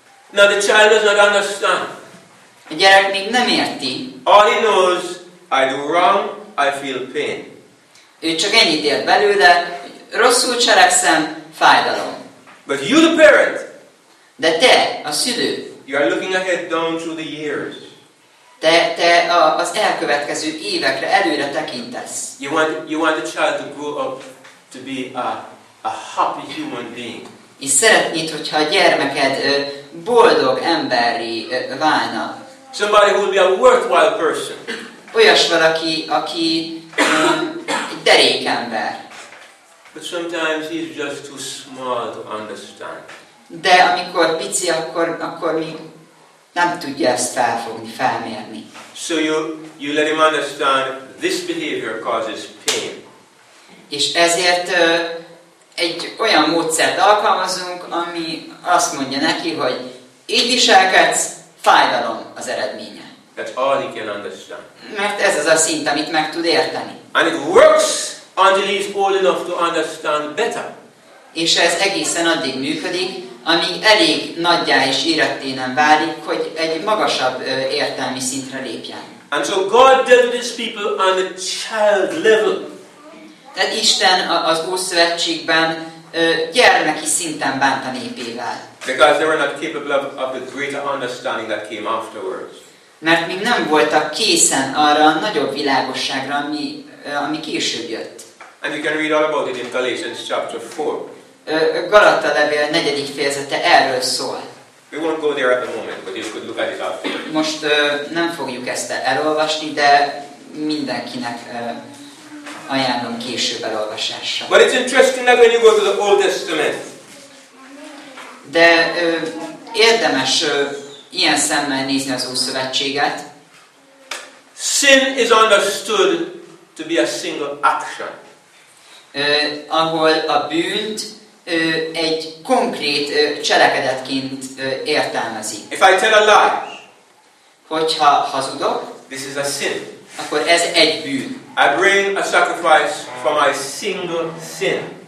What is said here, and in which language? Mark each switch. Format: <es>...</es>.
<en>Now the child does not understand.</en> <hu>A gyerek még nem érti.</hu> <en>All he knows, I do wrong, I feel pain.</en> <hu>Ő csak ennyit ért belőle, rosszul cselekszem, fájdalom.</hu> <en>But you the parent.</en> <hu>De te, a szülő.</hu> <en>You are looking ahead down through the years.</en> <hu>Te az elkövetkező évekre előre tekintesz.</hu> <en>You want the child to grow up to be a happy human being.</en> <hu>És szeretnéd, hogyha a gyermeked boldog emberré válna.</hu> <en>Somebody who will be a worthwhile person.</en> <hu>Olyas valaki, aki egy derék ember.</hu> <en>But sometimes he's just too small to understand.</en> <hu>De amikor pici, akkor még nem tudja ezt felfogni, felmérni.</hu> <en>So you let him understand this behavior causes pain.</en> <hu>És ezért egy olyan módszert alkalmazunk, ami azt mondja neki, hogy így viselkedsz, fájdalom az eredménye.</hu> <en>That's all he can understand.</en> <hu>Mert ez az a szint, amit meg tud érteni.</hu> <en>And it works until he's old enough to understand better.</en> <hu>És ez egészen addig működik, amíg elég naggyá és éretté nem válik, hogy egy magasabb értelmi szintre lépjen.</hu> <en>And so God dealt his people on a child level.</en> <hu>Tehát Isten az Ószövetségben gyermeki szinten bánt a népével.</hu> <en>Because they were not capable of the greater understanding that came afterwards.</en> <hu>Mert még nem voltak készen arra a nagyobb világosságra, ami később jött.</hu> <en>And you can read all about it in Galatians chapter 4.</en> <hu>Galata levél 4. fejezete erről szól.</hu> <en>We won't go there at the moment, but you could look at it after.</en> <hu>Most nem fogjuk ezt elolvasni, de mindenkinek ajánlom később elolvasásra.</hu> <en>But it's interesting that when you go to the Old Testament.</en> <hu>De érdemes ilyen szemmel nézni az Ószövetséget.</hu> <en>Sin is understood to be a single action.</en> <hu>Ahol a bűnt egy konkrét cselekedetként értelmezi.</hu> <en>If I tell a lie,</en> <hu>hogyha hazudok,</hu> <en>this is a sin.</en> <hu>Akkor ez egy bűn.</hu> <en>I bring a sacrifice for my single sin.</en>